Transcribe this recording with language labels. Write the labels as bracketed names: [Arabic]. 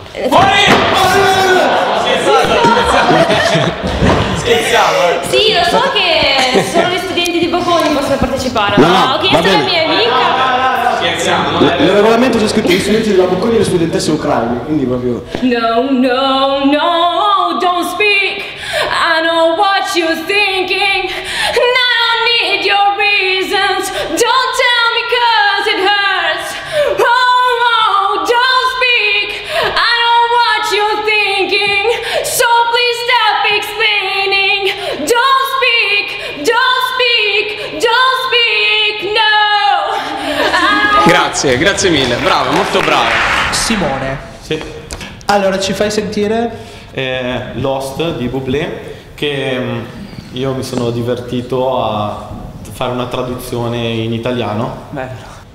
[Italian] Fuori! Scherziamo! Sì, lo so che solo gli studenti di Bocconi possono partecipare. No, no, ho chiesto alla mia amica. Il regolamento c'è scritto gli studenti della Bocconi e le studentesse ucraine, quindi proprio... [English] No, no, no, don't speak, I know what you're thinking, I don't need your reasons, don't tell me cause it hurts, oh no, don't speak, I know what you're thinking, so please stop explaining, don't speak, don't speak, don't speak, no. [Italian] Grazie, grazie mille, bravo, molto bravo. Simone. Sì. Allora, ci fai sentire? Lost di Bublé, che Io mi sono divertito a fare una traduzione in italiano. Bello.